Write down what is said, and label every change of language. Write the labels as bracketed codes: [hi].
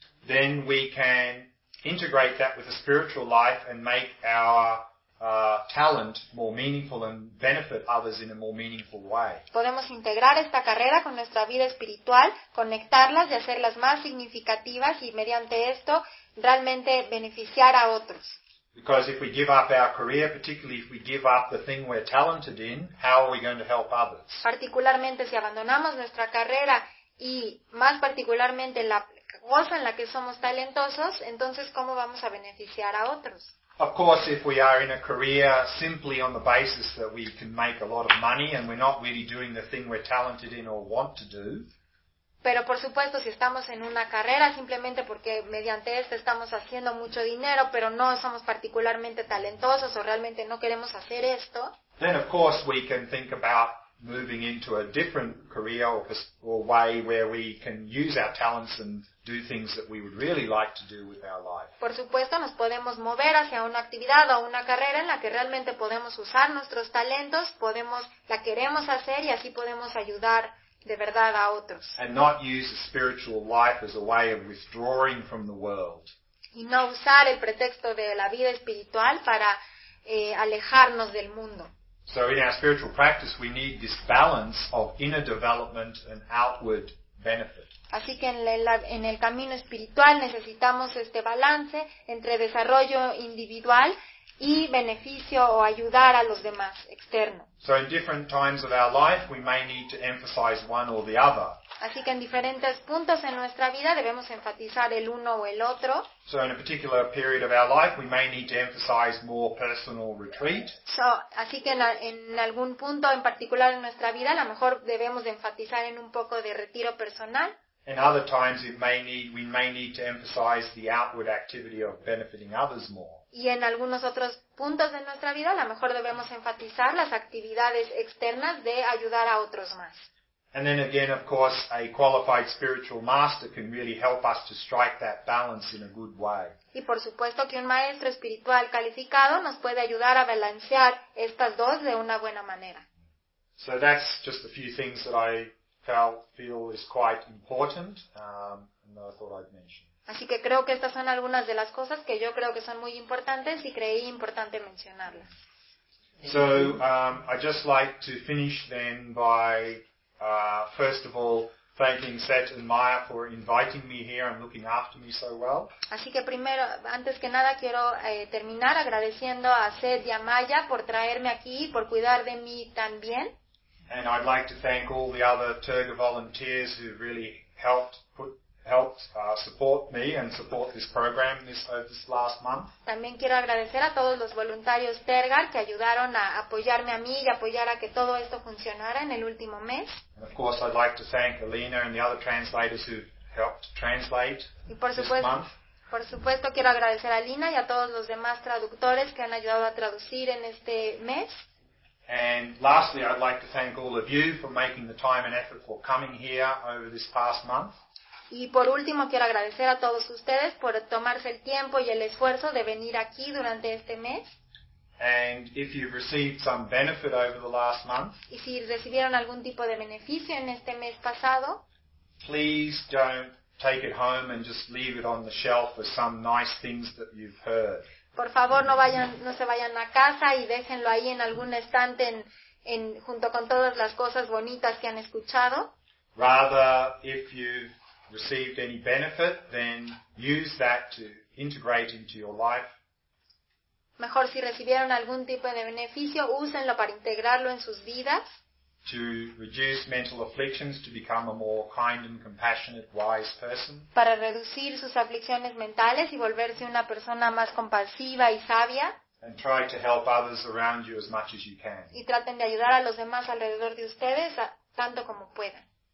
[en] Then we can integrate that with a spiritual life and make our talent more meaningful and benefit others in a more meaningful way. [es] Podemos integrar esta carrera con nuestra vida espiritual, conectarlas y hacerlas más significativas y mediante esto realmente beneficiar a otros. [en] Because if we give up our career, particularly if we give up the thing we're talented in, how are we going to help others? [es] Particularmente si abandonamos nuestra carrera y más particularmente la cosa en la que somos talentosos, entonces ¿cómo vamos a beneficiar a otros? [en] Of course, if we are in a career simply on the basis that we can make a lot of money and we're not really doing the thing we're talented in or want to do. [es] Pero por supuesto, si estamos en una carrera simplemente porque mediante esto estamos haciendo mucho dinero, pero no somos particularmente talentosos o realmente no queremos hacer esto. [en] Then of course we can think about moving into a different career or way where we can use our talents and do things that we would really like to do with our life. [es] Por supuesto, nos podemos mover hacia una actividad o una carrera en la que realmente podemos usar nuestros talentos, podemos la queremos hacer y así podemos ayudar de verdad a otros. [en] And not use the spiritual life as a way of withdrawing from the world. [es] Y no usar el pretexto de la vida espiritual para alejarnos del mundo. [en] So in our spiritual practice we need this balance of inner development and outward benefit. [es] Así que en el camino espiritual necesitamos este balance entre desarrollo individual y beneficio o ayudar a los demás externo. [en] So in different times of our life we may need to emphasize one or the other. [es] Así que en diferentes puntos en nuestra vida debemos enfatizar el uno o el otro. [en] So in a particular period of our life we may need to emphasize more personal retreat. [es] So, así que en algún punto en particular en nuestra vida a lo mejor debemos de enfatizar en un poco de retiro personal. [en] And other times we may need to emphasize the outward activity of benefiting others more. [es] Y en algunos otros puntos de nuestra vida a lo mejor debemos enfatizar las actividades externas de ayudar a otros más. [en] And then again, of course, a qualified spiritual master can really help us to strike that balance in a good way. [es] Y por supuesto que un maestro espiritual calificado nos puede ayudar a balancear estas dos de una buena manera. [en] So that's just a few things that I feel is quite important, and that I thought I'd mention. [es] Así que creo que estas son algunas de las cosas que yo creo que son muy importantes y creí importante mencionarlas. [en] So, I'd just like to finish then by, first of all, thanking Seth and Maya for inviting me here and looking after me so well. [es] Así que primero, antes que nada, quiero terminar agradeciendo a Seth y a Maya por traerme aquí y por cuidar de mí tan bien. [en] And I'd like to thank all the other Terga volunteers who really helped support me and support this program this last month. [es] También quiero agradecer a todos los voluntarios Terga que ayudaron a apoyarme a mí y apoyar a que todo esto funcionara en el último mes. [en] And of course, I'd like to thank Alina and the other translators who helped translate this month. [es] Por supuesto, quiero agradecer a Alina y a todos los demás traductores que han ayudado a traducir en este mes. [en] And lastly, I'd like to thank all of you for making the time and effort for coming here over this past month. [es] Y por último, quiero agradecer a todos ustedes por tomarse el tiempo y el esfuerzo de venir aquí durante este mes. [en] And if you've received some benefit over the last month, [es] y si recibieron algún tipo de beneficio en este mes pasado, [en] please don't take it home and just leave it on the shelf as some nice things that you've heard. [es] Por favor, no se vayan a casa y déjenlo ahí en algún estante en junto con todas las cosas bonitas que han escuchado. [en] Rather, if you've received any benefit, then use that to integrate into your life. [es] Mejor, si recibieron algún tipo de beneficio, úsenlo para integrarlo en sus vidas. [en] To reduce mental afflictions, to become a more kind and compassionate, wise person. [es] Para reducir sus aflicciones mentales y volverse una persona más compasiva y sabia. [en] And try to help others around you as much as you can. [es] Y traten de ayudar a los demás alrededor de ustedes tanto como puedan.